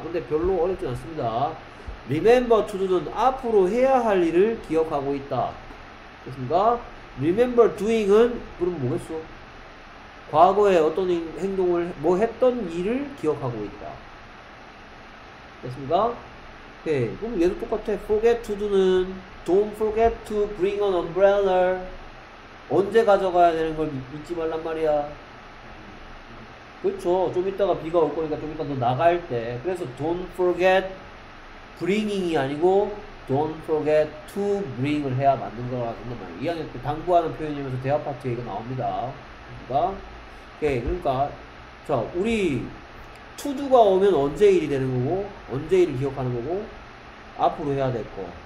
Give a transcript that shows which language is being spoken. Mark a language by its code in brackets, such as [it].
[ko] 근데 별로 어렵지 않습니다. 리멤버 투두는 앞으로 해야 할 일을 기억하고 있다. 그렇습니까? 리멤버 두잉은 그럼 뭐겠어? 과거에 어떤 행동을 뭐 했던 일을 기억하고 있다. 됐습니까? 오케이. 그럼 얘도 똑같아. [en] Forget to do는 Don't forget to bring an umbrella. [ko] 언제 가져가야 되는 걸 잊지 말란 말이야. 그렇죠. 좀 이따가 비가 올 거니까 좀 이따 너 나갈 때. 그래서 Don't forget bringing이 아니고 Don't forget to bring을 해야 맞는 거라고 한단 말이야. 2학년 때 당부하는 표현이면서 대화 파트에 이거 나옵니다. 그러니까, 오케이. 그러니까 자, 우리 투두가 오면 언제 일이 되는 거고, 언제 일을 기억하는 거고, 앞으로 해야 될 거.